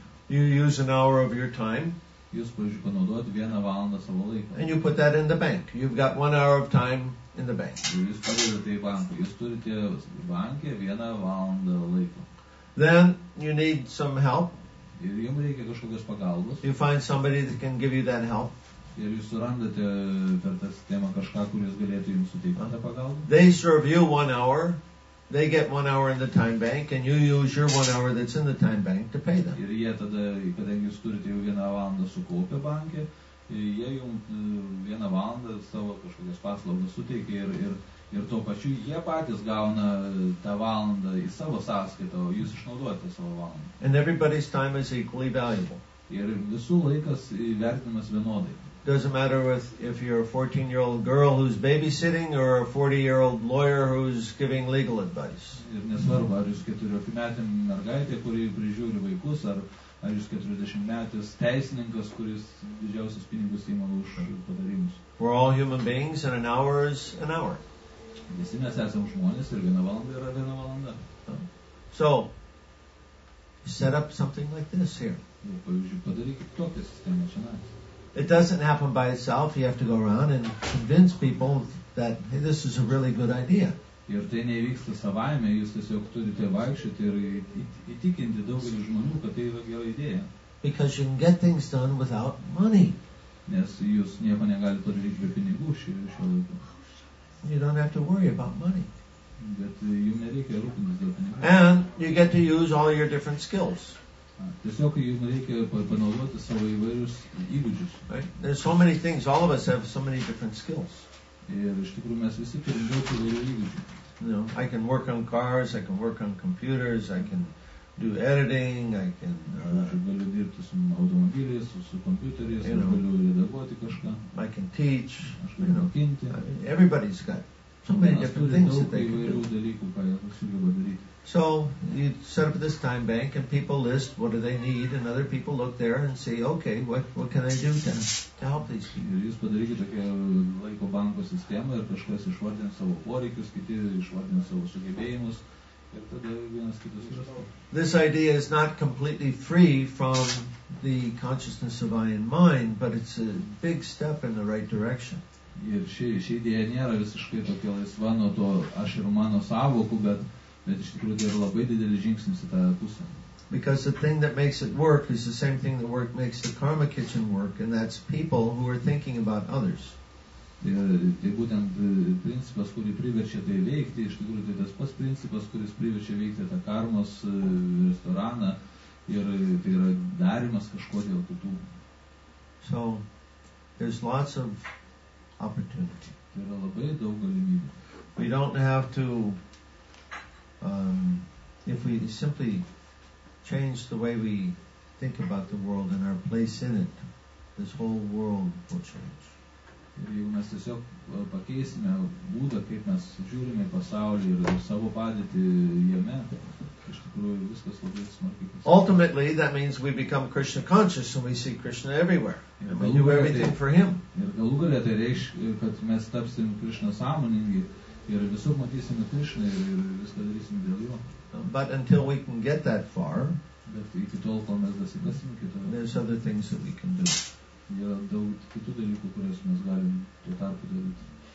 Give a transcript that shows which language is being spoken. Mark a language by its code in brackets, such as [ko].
[en] You use an hour of your time. [lt] Jūs, pavyzdžiui, panaudojat vieną valandą savo laiko. [en] And you put that in the bank. You've got one hour of time. In the bank. [lt] Jūs padedate į banką. Jūs turite banke vieną valandą laiko. [en] Then you need some help. [lt] Ir jums reikia kažkokios pagalbos. [en] You find somebody that can give you that help. [lt] Ir jūs surandate per tą sistemą kažką, kuris galėtų jums suteikti tą pagalbą. [en] They serve you 1 hour. They get 1 hour in the time bank. And you use your 1 hour that's in the time bank to pay them. [lt] Ir jie tada, kadangi jūs turite jau vieną valandą sukaupę banke, jie jums vieną valandą savo kažkokias paslaugas suteikia ir tuo pačiu jie patys gauna tą valandą į savo sąskaitą, o jūs išnaudojate savo valandą. [en] And everybody's time is equally valuable. [lt] Ir visų laikas įvertinamas vienodai. [en] Doesn't matter if you're a 14-year-old girl who's babysitting or a 40-year-old lawyer who's giving legal advice. [lt] Ir nesvarbu, ar jūs 14-metė mergaitė, kuri prižiūri vaikus, ar jūs 40-metis teisininkas, kuris didžiausias pinigus įima už padarymus. [en] We're all human beings and an hour is an hour. [lt] Visi mes esam žmonės ir viena valanda yra viena valanda. [en] So, set up something like this here. [lt] Pavyzdžiui, padarykit tokią sistemą šiandien. [en] It doesn't happen by itself. You have to go around and convince people that hey, this is a really good idea. [lt] Ir tai nevyksta savaime, jūs tiesiog turite vaikščioti ir įtikinti daugelį žmonių, kad tai yra gera idėja. [en] Because you can get things done without money. [lt] Nes jūs nieko negalite padaryti be pinigų šiuo laiku. [en] You don't have to worry about money. [lt] Bet jums nereikia rūpintis dėl pinigų. [en] And you get to use all your different skills. [lt] Tiesiog jums reikia panaudoti savo įvairius įgūdžius. [en] There's so many things, all of us have so many different skills. [lt] Ir iš tikrųjų mes visi turim daug įvairių įgūdžių. [en] I can work on cars, I can work on computers, I can do editing, I can... [lt] Galiu dirbti su automobiliais, su kompiuteriais, galiu redaguoti kažką. [en] I can teach, [lt] aš galiu mokinti. [en] Everybody's got so many different things that they can do. [lt] Mes turim daug įvairių dalykų, ką jau sugeba daryti. [en] So, you set up this time bank and people list what do they need and other people look there and say, okay, what can I do to help these people? [lt] Ir jūs padarykite tokią laiko banko sistemą ir kažkas išvardins savo poreikius, kiti išvardins savo sugebėjimus ir tada vienas kitas išras. [en] This idea is not completely free from the consciousness of I and mine, but it's a big step in the right direction. [lt] Ir ši idėja nėra visiškai tokia laisva nuo to aš ir mano savokų, bet iš tikrųjų yra labai didelis žingsnis į tą pusę. [en] Because the thing that makes it work is the same thing that work makes the karma kitchen work, and that's people who are thinking about others. [lt] Tai būtent principas, kurį priverčia tai veikti, iš tikrųjų tai tas pats principas, kuris priverčia veikti tą karmos restoraną, ir tai yra darimas kažko dėl kitų. [en] So, there's lots of opportunity. [lt] Tai yra labai daug galimybių. [en] We don't have to if we simply change the way we think about the world and our place in it, this whole world will change. [lt] Jeigu mes tiesiog pakeisime būdą, kaip mes žiūrime į pasaulį ir savo padėtį jame, iš tikrųjų viskas labai smarkiai pasikeis. [en] Ultimately, that means we become Krishna conscious and we see Krishna everywhere. And we do everything for him. [lt] Ir galų galia tai reiškia, kad mes tapsim Krishna sąmoningi, ir visur matysime Krishna ir viską darysime dėl jo. [en] But until we can get that far, [lt] bet iki tol, kol mes dasibėsime kitą, [en] there's other things that we can do. [lt] Yra daug kitų dalykų, kurias mes galim tuo tarpu daryti.